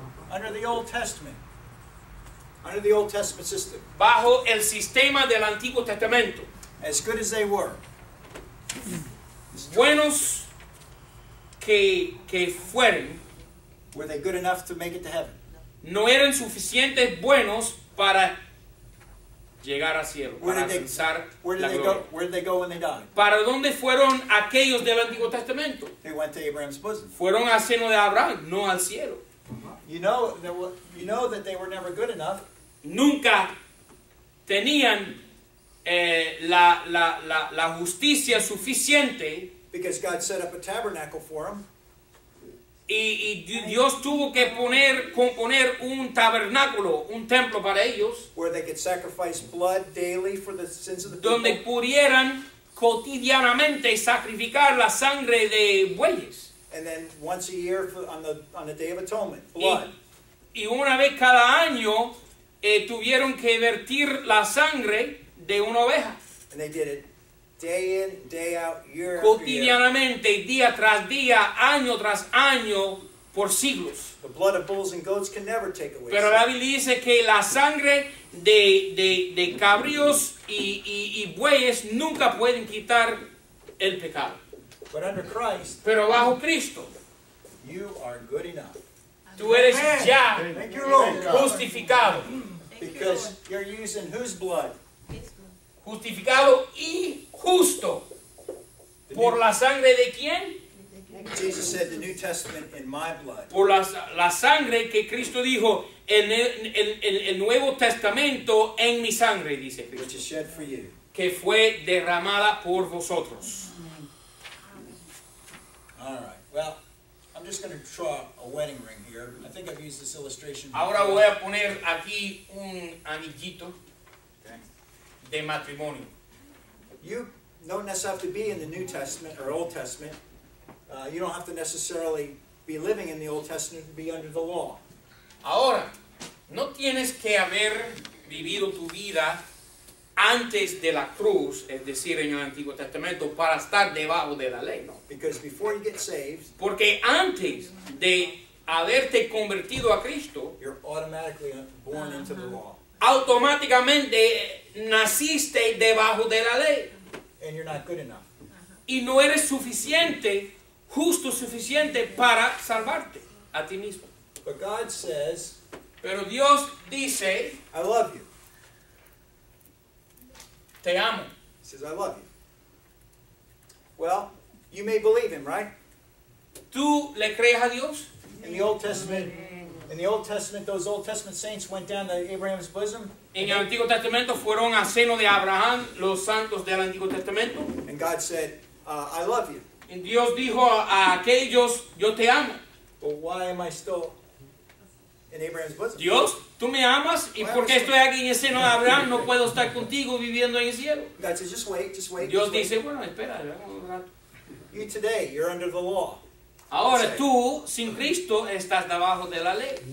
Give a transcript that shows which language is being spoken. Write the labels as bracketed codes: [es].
[en] Under the Old Testament system. [es] Bajo el sistema del Antiguo Testamento. [en] As good as they were. [es] Buenos que fueren. [en] Were they good enough to make it to heaven? [es] No eran suficientes buenos para llegar al cielo, para alcanzar la gloria. [en] Where did they go when they died? [es] ¿Para dónde fueron aquellos del Antiguo Testamento? [en] They went to Abraham's bosom. [es] Fueron al seno de Abraham, no al cielo. [en] You know that they were never good enough. [es] Nunca tenían la justicia suficiente. [en] Because God set up a tabernacle for him. [es] Y Dios tuvo que componer un tabernáculo, un templo para ellos. [en] Where they could sacrifice blood daily for the sins of the [es] donde [en] people. [es] Pudieran cotidianamente sacrificar la sangre de bueyes. [en] And then once a year for, on the Day of Atonement, blood. [es] Y una vez cada año tuvieron que vertir la sangre de una oveja. [en] And they did it day in, day out, year [es] cotidianamente, [en] after year. [es] Día tras día, año tras año, por siglos. [en] The blood of bulls and goats can never take away. [es] Pero la Biblia dice que la sangre de cabríos y bueyes nunca pueden quitar el pecado. [en] But under Christ, [es] pero bajo Cristo, [en] you are good enough. [es] Tú eres ya [en] thank you, Lord, [es] justificado. [en] Because you're using whose blood? [es] Justificado y justo. Por la sangre de quién? [en] Jesus said, the New Testament in my blood. [es] Por la sangre que Cristo dijo, el Nuevo Testamento en mi sangre, dice Cristo. [en] Which is shed for you. [es] Que fue derramada por vosotros. [en] All right. Well, I'm just going to draw a wedding ring here. I think I've used this illustration before. [es] Ahora voy a poner aquí un anillito de matrimonio. [en] You don't necessarily have to be in the New Testament or Old Testament. You don't have to necessarily be living in the Old Testament to be under the law. [es] Ahora, no tienes que haber vivido tu vida antes de la cruz, es decir, en el Antiguo Testamento, para estar debajo de la ley, ¿no? [en] Because before you get saved, [es] porque antes de haberte convertido a Cristo, [en] you're automatically born into the law. [es] Automáticamente naciste debajo de la ley. [en] And you're not good enough. [es] Y no eres suficiente, justo suficiente para salvarte a ti mismo. [en] But God says, [es] pero Dios dice, [en] I love you. [es] Te amo. [en] He says, I love you. Well, you may believe him, right? [es] ¿Tú le crees a Dios? [en] In the Old Testament, those Old Testament saints went down to Abraham's bosom. [es] En el Antiguo Testamento fueron a seno de Abraham, los santos del Antiguo Testamento. [en] And God said, I love you. [es] Y Dios dijo a aquellos, yo te amo. [en] But why am I still in Abraham's bosom? [es] Dios, tú me amas, y [en] why [es] porque estoy aquí en el seno de Abraham, no puedo estar contigo viviendo en el cielo. [en] God says, just wait. [es] Dios [en] just [es] dice, [en] wait. [es] Bueno, espera, vamos [en] a you today, you're under the law. [es] Ahora tú, sin Cristo, estás debajo de la ley.